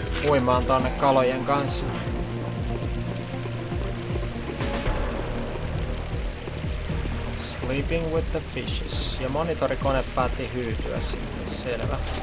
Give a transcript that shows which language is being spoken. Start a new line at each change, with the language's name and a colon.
Finnish: Uimaan tuonne kalojen kanssa.
English: Sleeping with the fishes.
Finnish: Ja monitorikone päätti hyytyä sitten, selvä.